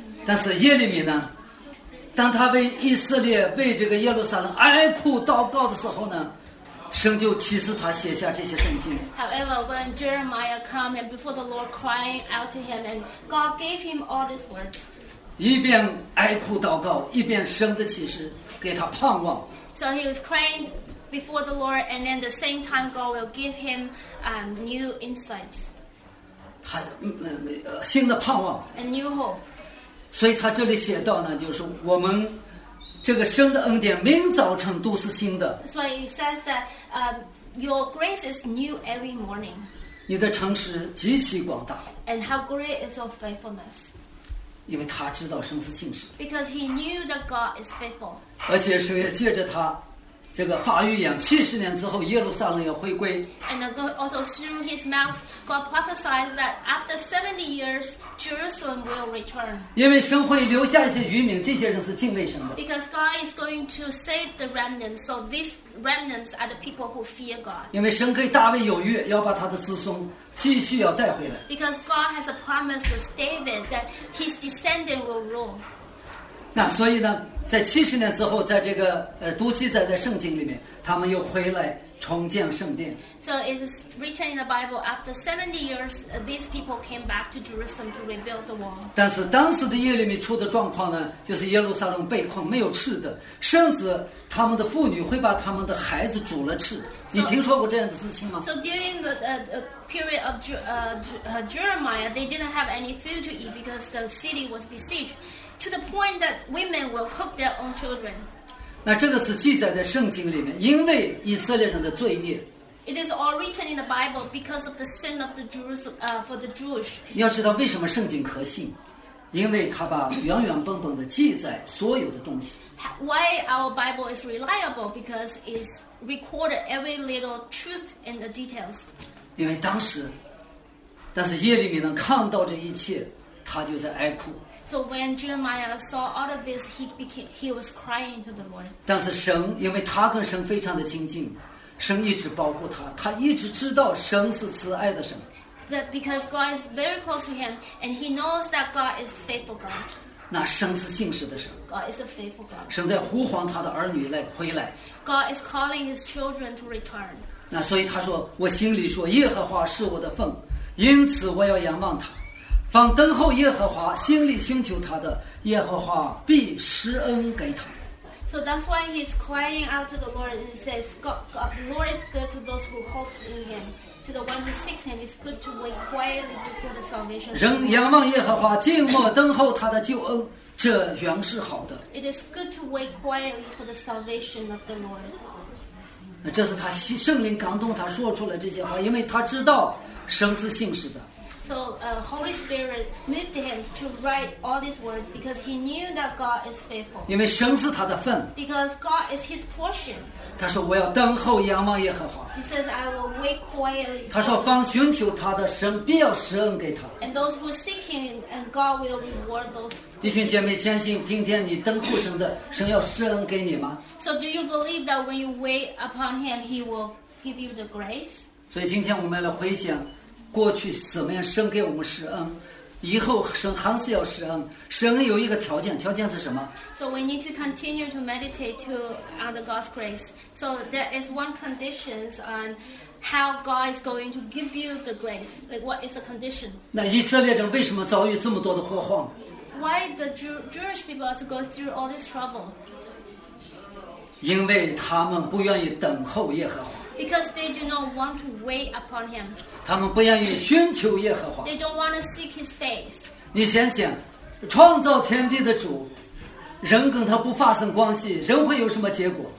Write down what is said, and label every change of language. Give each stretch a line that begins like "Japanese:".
Chinese: 但是耶利米呢，当他为以色列、为这个耶路撒冷哀哭祷告的时候呢，神就启示他写下这些圣经。
English: However, when Jeremiah came and before the Lord crying out to him, and God gave him all this word.
Chinese: 一边哀哭祷告，一边神的启示给他盼望。
English: So he was crying before the Lord, and then the same time God will give him new insights.
Chinese: 他新的盼望。
English: A new hope.
Chinese: 所以他这里写到呢，就是我们这个神的恩典，明早晨都是新的。
English: So he says that your grace is new every morning.
Chinese: 你的诚实极其广大。
English: And how great is your faithfulness?
Chinese: 因为他知道神是信实。
English: Because he knew that God is faithful.
Chinese: 而且神也借着他，这个发预言，七十年之后耶路撒冷要回归。
English: And also through his mouth, God prophesied that after 70 years, Jerusalem will return.
Chinese: 因为神会留下一些余民，这些人是敬畏神的。
English: Because God is going to save the remnants, so these remnants are the people who fear God.
Chinese: 因为神给大卫有约，要把他的子孙。继续要带回来。
English: Because God has a promise with David that his descendant will rule.
Chinese: 那所以呢，在七十年之后，在这个都记载在圣经里面，他们又回来重建圣殿。
English: So it is written in the Bible after 70 years, these people came back to Jerusalem to rebuild the wall.
Chinese: 但是当时的耶利米出的状况呢，就是耶路撒冷被困，没有吃的，甚至他们的妇女会把他们的孩子煮了吃。你听说过这样的事情吗
English: ？So during the period of Jeremiah, they didn't have any food to eat because the city was besieged, to the point that women will cook their own children.
Chinese: 那这个是记载在圣经里面，因为以色列人的罪孽。
English: It is all written in the Bible because of the sin of the Jews for the Jewish.
Chinese: 你要知道为什么圣经可信，因为它把原原本本的记载所有的东西。
English: Why our Bible is reliable because it's recorded every little truth in the details.
Chinese: 因为当时，但是耶利米能看到这一切，他就在哀哭。
English: So when Jeremiah saw all of this, he was crying to the Lord.
Chinese: 但是神，因为他跟神非常的亲近。神一直保护他，他一直知道神是慈爱的神。
English: But because God is very close to him, and he knows that God is faithful God.
Chinese: 那神是信实的神。
English: God is a faithful God.
Chinese: 神在呼唤他的儿女来回来。
English: God is calling his children to return.
Chinese: 那所以他说：“我心里说，耶和华是我的份，因此我要仰望他。凡等候耶和华、心里寻求他的，耶和华必施恩给他。”
English: So that's why he's crying out to the Lord and says, God, the Lord is good to those who hope in him. To the one who seeks him, it's good to wait quietly for the salvation.
Chinese: 人仰望耶和华，静默等候他的救恩，这原是好的。
English: It is good to wait quietly for the salvation of the Lord.
Chinese: 那这是他圣灵感动他说出来这些话，因为他知道神是信实的。
English: Holy Spirit moved him to write all these words because he knew that God is faithful.
Chinese: 因为神是他的份。
English: Because God is his portion.
Chinese: 他说我要等候仰望耶和华。
English: He says, I will wait quietly.
Chinese: 他说凡寻求他的神必要施恩给他。
English: And those who seek him, and God will reward those.
Chinese: 弟兄姐妹，相信今天你等候神的，神要施恩给你吗
English: ？So do you believe that when you wait upon Him, He will give you the grace？
Chinese: 所以今天我们来回想，过去怎么样神给我们施恩，以后神还是要施恩。施恩有一个条件，条件是什么
English: ？So we need to continue to meditate to on the God's grace. So there is one conditions on how God is going to give you the grace. Like what is the condition？
Chinese: 那以色列人为什么遭遇这么多的祸患？
English: Why the Jewish people have to go through all this trouble?
Chinese: 因为他们不愿意等候耶和华。
English: Because they do not want to wait upon him.
Chinese: 他们不愿意寻求耶和华。
English: They don't want to seek his face.
Chinese: 你想想，创造天地的主，人跟他不发生关系，人会有什么结果？